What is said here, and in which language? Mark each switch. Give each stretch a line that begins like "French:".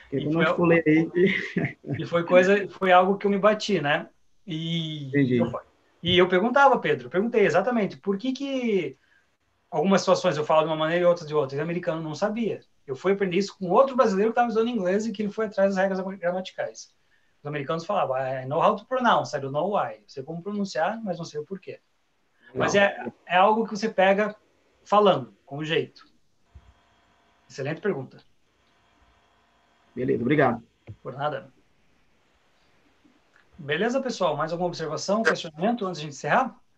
Portuguese: E foi algo que eu me bati, né? E eu perguntava, Pedro, perguntei exatamente por que que algumas situações eu falo de uma maneira e outras de outra. E o americano não sabia. Eu fui aprender isso com outro brasileiro que estava usando inglês e que ele foi atrás das regras gramaticais. Os americanos falavam,
English: I know how to pronounce, I don't know why.
Portuguese: Eu sei como pronunciar, mas não sei o porquê. Não. Mas é algo que você pega falando, com o jeito. Excelente pergunta. Beleza, obrigado. Por nada. Beleza, pessoal? Mais alguma observação, questionamento antes de a gente encerrar?